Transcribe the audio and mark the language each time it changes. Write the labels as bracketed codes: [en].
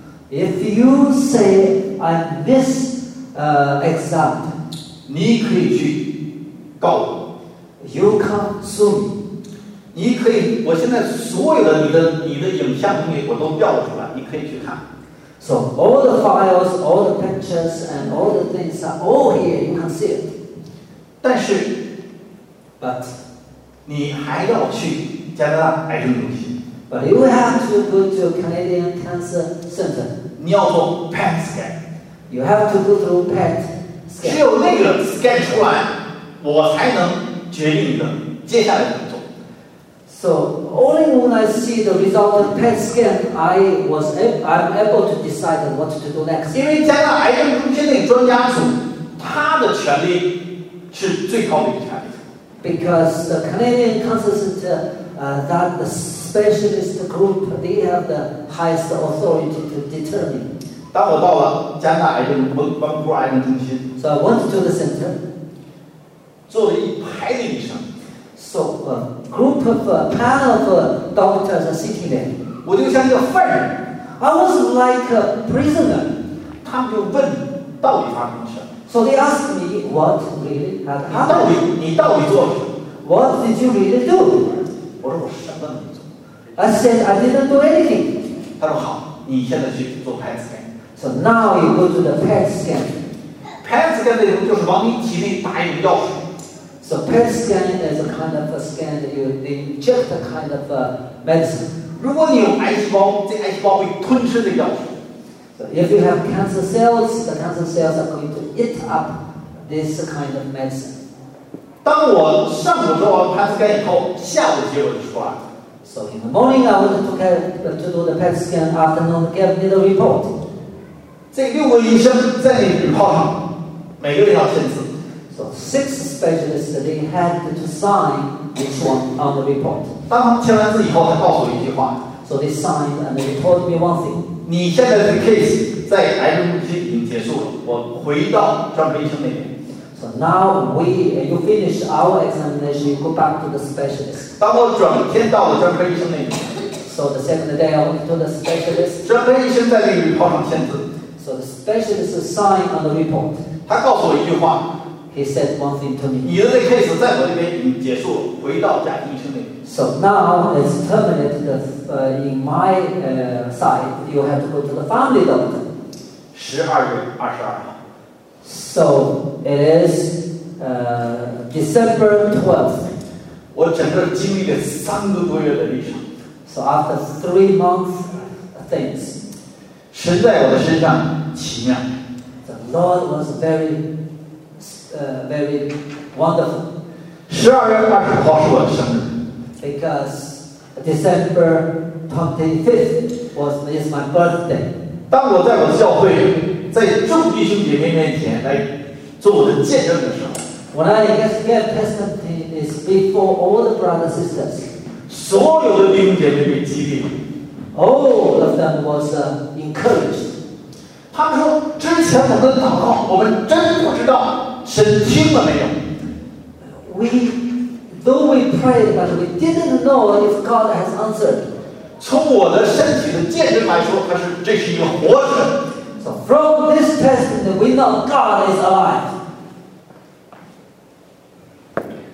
[en] ，If you say I'm this exact, [zh] 你可以去告我。 [en] You can sue me. [zh] 你可以，我现在所有的你的影像东西我都调出来，你可以去看。 [en] So all the files, all the pictures, and all the things are all here. You can see it. [zh] 但是 [en] ，but [zh] 你还要去加拿大癌症中心。 [en] But you have to go to Canadian Cancer Center. [zh] 你要做 PET scan. [en] You have to go through PET scan. [zh] 只有那个 scan 出来，我才能。决定的接下来的工作。 [en] So only when I see the result of PET scan, I'm able to decide what to do next. [zh] 因为加拿大癌症中心那专家组，他的权力是最高的一个权力。 [en] Because the Canadian Cancer Center, that the specialist group, they have the highest authority to determine. [zh] 当我到了加拿大癌症温哥华癌症中心 [en] ，So I went to the center. [zh] 作为一排的医生 [en] ，so a group of a panel of doctors sitting there， [zh] 我就像一个犯人 [en] ，I was like a prisoner。 [zh] 他们就问到底发生什么 [en] ？So they asked me what really happened。 [zh] 你到底做了什么 [en] ？What did you really do？ [zh] 我说我什么都没做。 [en] I said I didn't do anything。 [zh] 他说好，你现在去做 PET scan。 [en] So now you go to the PET scan。 [zh] PET scan 内容就是往你体内打一种药水。 [en] So PET scan is a kind of a scan that you inject a kind of a medicine. [zh] 如果你有癌细胞，这癌细胞会吞吃这个药水。 [en] So if you have cancer cells, the cancer cells are going to eat up this kind of medicine. [zh] 当我上午做完 PET scan 以后，下午结果就出来了。 [en] So in the morning I went to do the PET scan. Afternoon gave me the report. [zh] 这六个医生在那里泡上，每个人要签字。 [en] So six specialists they had to sign each one on the report. [zh] 当他们签完字以后，他告诉我一句话。 [en] So they signed and they told me one thing. [zh] 你现在的 case 在癌症中心已经结束了，我回到专科医生那边。 [en] So now you finish our examination, you go back to the specialist. [zh] 当我转天到了专科医生那边。 [en] So the second day I went to the specialist. [zh] 专科医生在那个 report 上签字。 [en] So the specialist signed on the report. [zh] 他告诉我一句话。 [en] He said one thing to me. [zh] 你的这 case 在我这边已经结束了，回到家庭医生那里。 [en] So now it's terminated. In my side, you have to go to the family doctor. [zh] 12月22号。 [en] So it is December 12th. [zh] 我整个经历了三个多月的历程。 [en] So after 3 months, things. [zh] 神在我的身上奇妙。 [en] The Lord was very. Very wonderful. [zh] 12月20号是我的生日。 [en] Because December 25th is my birthday. [zh] 当我在我的教会，在众弟兄姐妹面前来做我的见证的时候 [en] ，When I get to give testimony is before all the brothers and sisters. [zh] 所有的弟兄姐妹被激励。 [en] All of them was encouraged. [zh] 他们说，之前我们祷告，我们真不知道。神听了没有 [en] Though we prayed but we didn't know if God has answered [zh] 从我的身体的见证来说这是一个活神 [en] So from this testament we know God is alive